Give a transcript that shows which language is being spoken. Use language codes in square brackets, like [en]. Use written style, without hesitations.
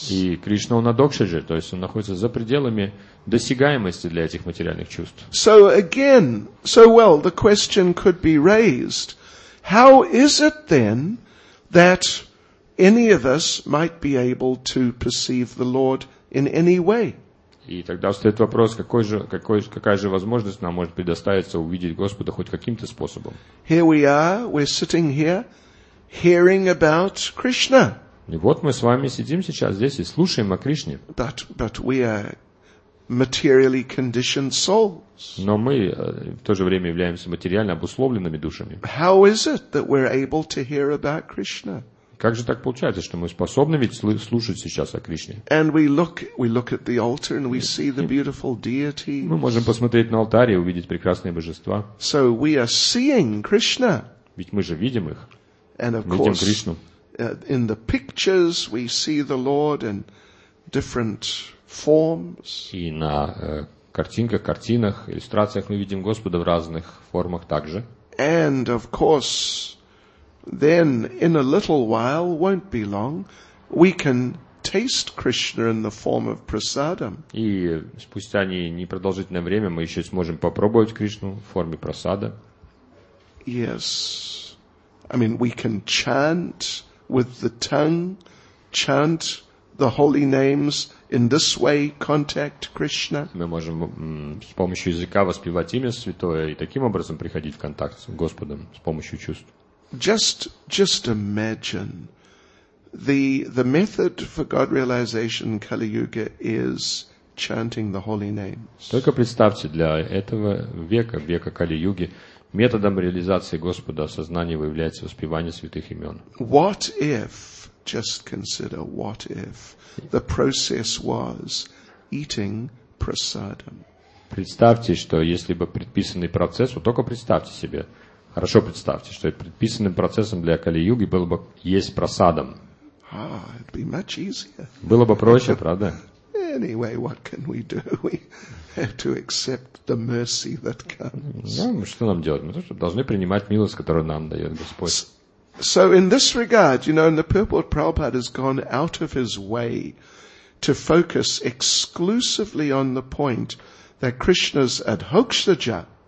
[ru] И Кришна он Адхокшаджа, то есть он находится за пределами досягаемости для этих материальных чувств. [en] So again, the question could be raised: how is it then that any of us might be able to perceive the Lord in any way? [ru] И тогда встает вопрос, какая же возможность нам может предоставиться увидеть Господа хоть каким-то способом. [en] Here we are, we're sitting here, hearing about Krishna. [ru] И вот мы с вами сидим сейчас здесь и слушаем о Кришне. [en] But we are materially conditioned souls. [ru] Но мы в то же время являемся материально обусловленными душами. [en] How is it that we're able to hear about Krishna? [ru] Как же так получается, что мы способны ведь слушать сейчас о Кришне? [en] And we look at the altar and we see the beautiful deities. [ru] Мы можем посмотреть на алтарь и увидеть прекрасные божества. [en] So we are seeing Krishna. [ru] Ведь мы же видим их. [en] And of [ru] видим Кришну. [en] In the pictures we see the Lord in different forms. [ru] И на картинках, иллюстрациях мы видим Господа в разных формах также. [en] And of course, then in a little while, won't be long, we can taste Krishna in the form of prasadam. [ru] И спустя непродолжительное время мы еще сможем попробовать Кришну в форме прасада. [en] Yes, I mean we can chant with the tongue, chant the holy names in this way, contact Krishna. [ru] Мы можем с помощью языка воспевать имя святое и таким образом приходить в контакт с Господом с помощью чувств. [en] Just imagine the method for God realization in Kali Yuga is chanting the holy names. [ru] Только представьте, для этого века Кали Юги методом реализации Господа сознания является воспевание святых имен. [en] What if, just consider, what if the process was eating prasadam? [ru] Представьте, что если бы предписанный процесс, вот только представьте себе. Хорошо представьте, что предписанным процессом для Кали-Юги было бы есть прасадом. [en] It'd be much easier. [ru] Было бы проще, правда? [en] Anyway, what can we do? We have to accept the mercy that comes. [ru] Ну, что нам делать? Мы должны принимать милость, которую нам дает Господь. [en] So in this regard, you know, in the purport, Prabhupada has gone out of his way to focus exclusively on the point that Krishna's Adhokshaja.